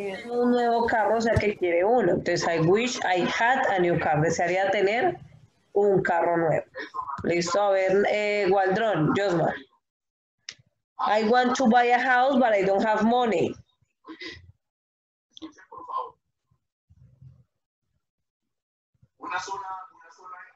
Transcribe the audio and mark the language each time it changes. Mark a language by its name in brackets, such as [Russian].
[Spanish] un nuevo carro, o sea que quiere uno. Entonces, [English] I wish I had a new car. [Spanish] Desearía tener un carro nuevo. Listo, a ver, Waldron, Josmar. [English] I want to buy a house, but I don't have money. [Spanish] Oye, escuchen, por favor. Una sola vez, chicos, una sola vez.